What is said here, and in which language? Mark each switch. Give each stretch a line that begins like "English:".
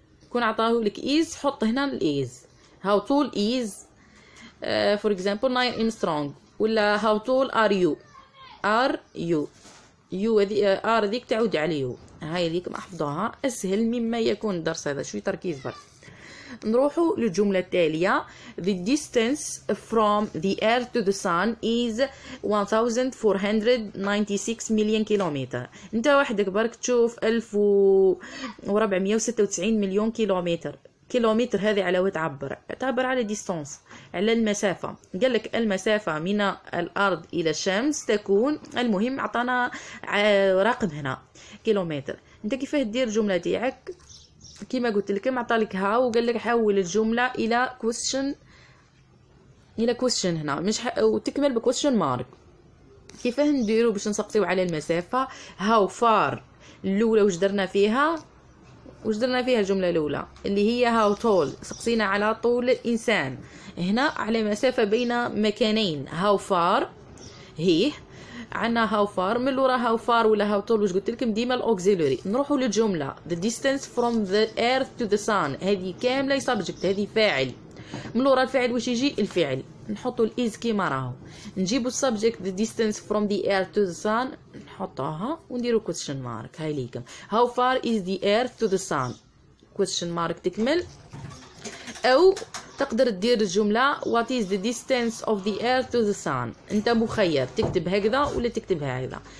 Arabic: كون عطاه لك
English: is
Arabic: حط هنا
English: is how tall is for example Neil Armstrong، ولا how tall are you، you are
Arabic: ذيك تعود عليه. هاي ذيك ما أحفظها، أسهل مما يكون الدرس هذا، شوي تركيز برد. نروحوا للجملة التالية.
English: The distance from the earth to the sun is 1,496 million kilometers.
Arabic: انت وحدك برك تشوف 1,496 مليون كيلومتر. كيلومتر هذه على وين تعبر؟ تعبر على ديستانس، على المسافة. قال لك المسافة من الأرض إلى الشمس تكون، المهم عطانا رقم هنا كيلومتر. انت كيفاه تدير الجملة تاعك؟ كما قلت لك معطالك ها وقال لك حول الجملة إلى
English: question،
Arabic: إلى question هنا مش وتكمل بكويشن مارك. كيفاه نديرو باش نسقطيو على المسافة؟ هاو فار الأولى واش درنا فيها؟ واش درنا فيها الجملة الأولى اللي هي هاو تول، سقسينا على طول الإنسان. هنا على مسافة بين مكانين هاو فار، هي عنا هاو فار. من اللي وراها هاو فار ولا هاو طول واش قلت لكم ديما الاوكزيلوري. نروحوا للجمله
English: the distance from the earth to the sun،
Arabic: هذه كامله سبجكت، هذه فاعل. من اللي ورا الفاعل واش يجي؟ الفعل. نحطوا الاز كيما راهو، نجيبوا السبجكت
English: the distance from the earth to the sun،
Arabic: نحطوها ونديروا كويشن مارك. هاي ليكم
English: How far is the earth to the sun، question mark تكمل.
Arabic: او تقدر تدير الجملة
English: what is the distance of the earth to the sun،
Arabic: انت مخير تكتب هكذا ولا تكتب هكذا.